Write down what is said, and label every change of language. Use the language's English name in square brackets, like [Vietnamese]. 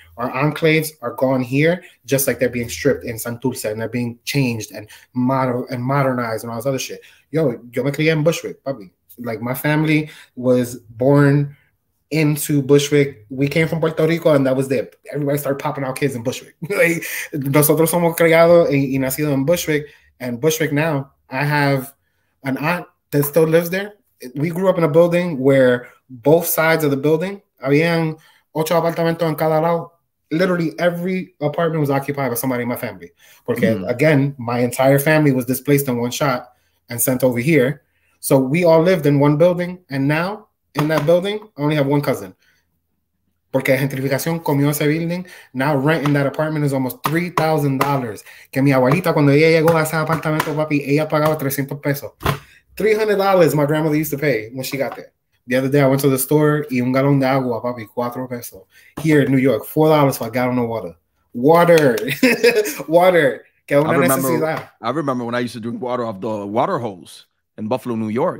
[English] Our enclaves are gone here, just like they're being stripped in Santurce and they're being changed and modernized and all this other shit. [Spanish] Yo, yo me crié en Bushwick, papi. [English] Like, my family was born into Bushwick. We came from Puerto Rico, and that was it. Everybody started popping out kids in Bushwick. [Spanish] Like, nosotros somos criados y nacidos en Bushwick. [English] And Bushwick now, I have an aunt that still lives there. We grew up in a building where both sides of the building, [Spanish] habían ocho apartamentos en cada lado. [English] Literally every apartment was occupied by somebody in my family. Porque, again, my entire family was displaced in one shot and sent over here. So we all lived in one building, and now in that building, I only have one cousin. [Spanish] Porque gentrificación comió ese building. [English] Now rent in that apartment is almost $3,000. [Spanish] Que mi abuelita, cuando ella llegó a ese apartamento, papi, ella pagaba 300 pesos. [English] $300 my grandmother used to pay when she got there. The other day, I went to the store, [Spanish] y un galón de agua, papi, 4 pesos. [English] Here in New York, $4 for a gallon of water. Water. Water. [Spanish] Que una necesidad. [English] I remember when I used to drink water off the water holes. In Buffalo, New York.